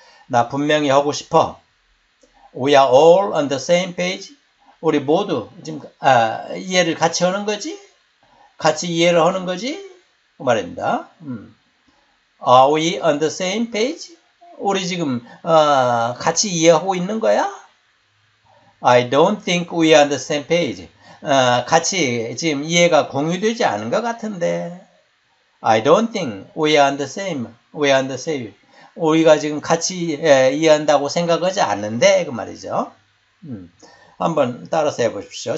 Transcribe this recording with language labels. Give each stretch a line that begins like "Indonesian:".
Korean: 나 분명히 하고 싶어.
English: We are all on the same page.
Korean: 우리 모두 지금, 이해를 같이 하는 거지? 같이 이해를 하는 거지? 말입니다.
English: Are we on the same page?
Korean: 우리 지금, 같이 이해하고 있는 거야?
English: I don't think we are on the same page.
Korean: 같이 지금 이해가 공유되지 않은 것 같은데.
English: I don't think we are on the same. We are on the same.
Korean: 우리가 지금 같이 이해한다고 생각하지 않는데 그 말이죠. 한번 따라서 해보십시오.